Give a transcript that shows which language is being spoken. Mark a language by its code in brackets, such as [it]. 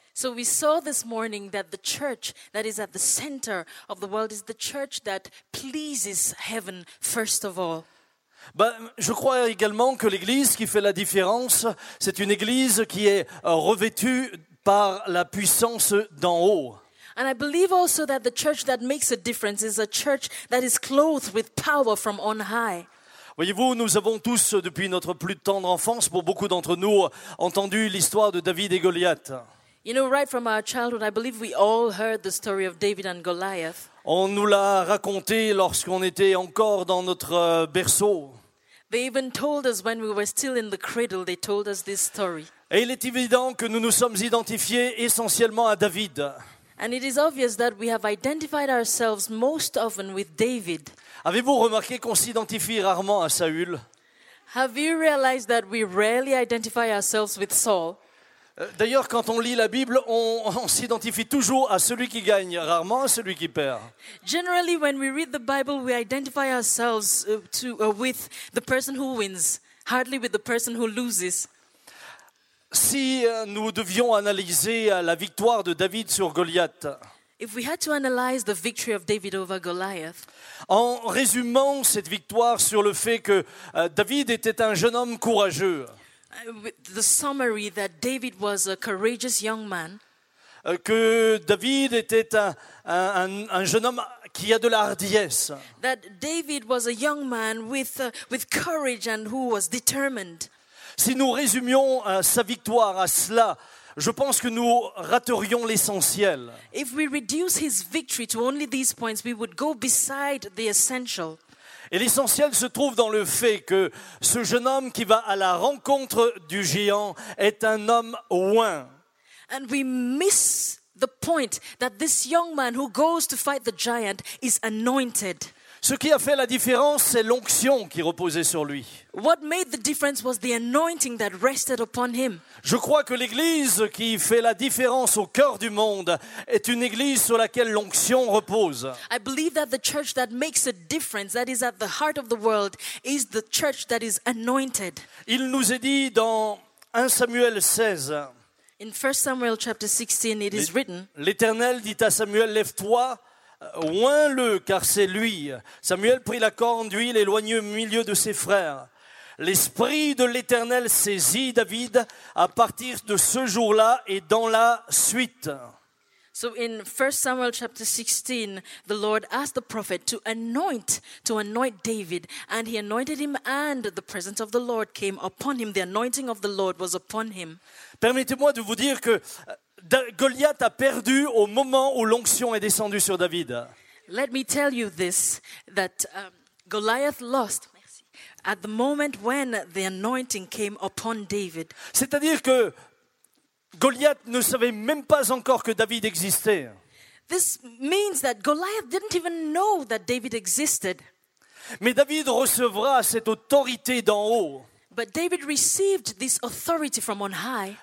[en] So we saw this morning that the church that is at the center of the world is the church that pleases heaven first of all. [fr] Ben, je crois également que l'Église qui fait la différence, c'est une Église qui est revêtue par la puissance d'en haut. [en] And I believe also that the church that makes a difference is a church that is clothed with power from on high. [fr] Voyez-vous, nous avons tous, depuis notre plus tendre enfance, pour beaucoup d'entre nous, entendu l'histoire de David et Goliath. [en] You know, right from our childhood, I believe we all heard the story of David and Goliath. [fr] On nous l'a raconté lorsqu'on était encore dans notre berceau. [en] They even told us when we were still in the cradle, they told us this story. [fr] Et il est évident que nous nous sommes identifiés essentiellement à David. [en] And it is obvious that we have identified ourselves most often with David. [fr] Avez-vous remarqué qu'on s'identifie rarement à Saül? [en] Have you realized that we rarely identify ourselves with Saul? [fr] D'ailleurs, quand on lit la Bible, on s'identifie toujours à celui qui gagne, rarement à celui qui perd. [en] Generally, when we read the Bible, we identify ourselves with the person who wins, hardly with the person who loses. [fr] Si nous devions analyser la victoire de David sur Goliath, [en] if we had to analyze the victory of David over Goliath, [fr] en résumant cette victoire sur le fait que David était un jeune homme courageux, [en] the summary that David was a courageous young man, [fr] que David était un jeune homme qui a de la hardiesse, [en] that David was a young man with courage and who was determined. [fr] Si nous résumions sa victoire à cela, je pense que nous raterions l'essentiel. [en] If we reduce his victory to only these points, we would go beside the essential. [fr] Et l'essentiel se trouve dans le fait que ce jeune homme qui va à la rencontre du géant est un homme oint. [en] And we miss the point that this young man who goes to fight the giant is anointed. [fr] Ce qui a fait la différence, c'est l'onction qui reposait sur lui. [en] What made the difference was the anointing that rested upon him. [fr] Je crois que l'église qui fait la différence au cœur du monde est une église sur laquelle l'onction repose. [en] I believe that the church that makes a difference, that is at the heart of the world, is the church that is anointed. [fr] Il nous est dit dans 1 Samuel 16. [en] In 1 Samuel chapter 16, it is written. [fr] L'Éternel dit à Samuel, lève-toi. Oint-le, car c'est lui. Samuel prit la corne d'huile et l'oignit au milieu de ses frères. L'Esprit de l'Éternel saisit David à partir de ce jour-là et dans la suite. [en] So in 1 Samuel chapter 16, the Lord asked the prophet to anoint David, and he anointed him, and the presence of the Lord came upon him. The anointing of the Lord was upon him. [fr] Permettez-moi de vous dire que Goliath a perdu au moment où l'onction est descendue sur David. [en] Let me tell you this, that Goliath lost at the moment when the anointing came upon David. [fr] C'est-à-dire que Goliath ne savait même pas encore que David existait. [en] This means that Goliath didn't even know that David existed. [fr] Mais David recevra cette autorité d'en haut. [en] But David received this authority from on high.